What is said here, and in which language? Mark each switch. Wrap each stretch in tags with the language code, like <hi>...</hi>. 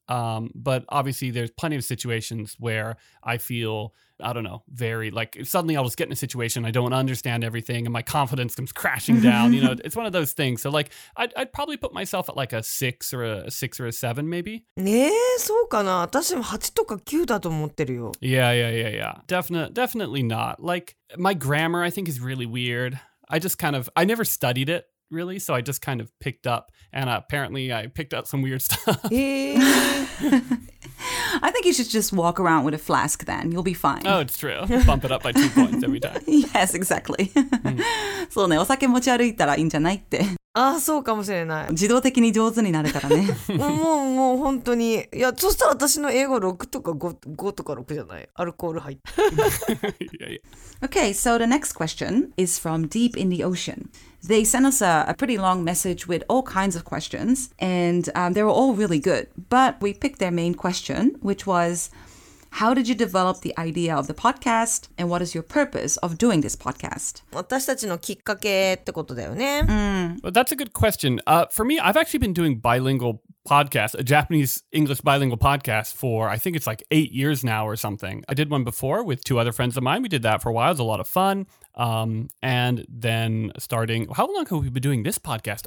<en>But obviously, there's plenty of situations where I feel, I don't know, very like suddenly I'll just get in a situation. I don't understand everything and my confidence comes crashing down. You know, it's one of those things. So like, I'd probably put myself at like a six or a seven maybe.</en> <ja>そうかな。私も8とか9だと思ってるよ。</ja> <en>Yeah. Definitely not. Like, my grammar, I think, is really weird. I never studied it. Really? So I just kind of picked up, and apparently I picked up some weird stuff. I think you should just walk around with a flask then. You'll be fine. Oh, it's true. Bump it up by 2 points every time. Yes, exactly.</en> <ja>そうね、お酒持ち歩いたらいいんじゃないって。ああ、そうかもしれない。自動的に上手になれたらね。もう本当に。いや、そしたら私の英語6とか 5とか6じゃない。アルコール入って。</ja> <en>Okay, so the next question is from Deep in the Ocean. They sent us a pretty long message with all kinds of questions, and they were all really good. But we picked their main question, which was, how did you develop the idea of the podcast, and what is your purpose of doing this podcast?</en> <ja>私たちのきっかけってことだよね。</ja> <en>Well, that's a good question. For me, I've actually been doing bilingual podcasts, a Japanese-English bilingual podcast for, I think it's like 8 years now or something. I did one before with two other friends of mine. We did that for a while. It was a lot of fun. And then starting, how long have we been doing this podcast?</en>